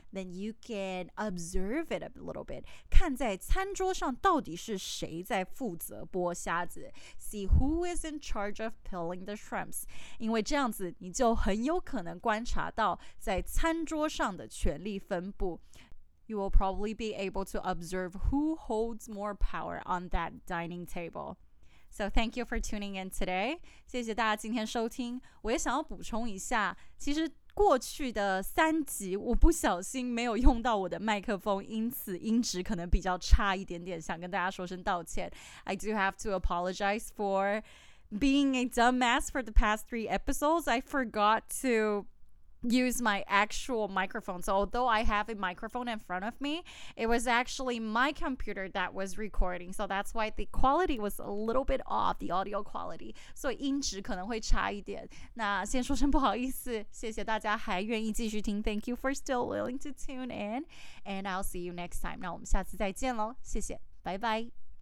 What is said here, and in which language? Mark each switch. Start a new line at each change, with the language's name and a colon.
English: Then you can observe it a little bit.
Chinese: 看在餐桌上到底是谁在负责剥虾子。
English: See who is in charge of peeling the shrimps.
Chinese: 因为这样子你就很有可能观察到在餐桌上的权力分布。
English: You will probably be able to observe who holds more power on that dining table. So thank you for tuning in today.
Chinese: 谢谢大家今天收听。我也想要补充一下，其实过去的三集我不小心没有用到我的麦克风，因此音质可能比较差一点点，想跟大家说声道歉。
English: I do have to apologize for being a dumbass for the past three episodes. I forgot to... use my actual microphone. So although I have a microphone in front of me, it was actually my computer that was recording. So that's why the quality was a little bit off, the audio quality.
Chinese: 所以音质可能会差一点。那先说声不好意思，谢谢大家还愿意继续听。
English: Thank you for still willing to tune in. And I'll see you next time.
Chinese: 那我们下次再见咯。谢谢，拜拜。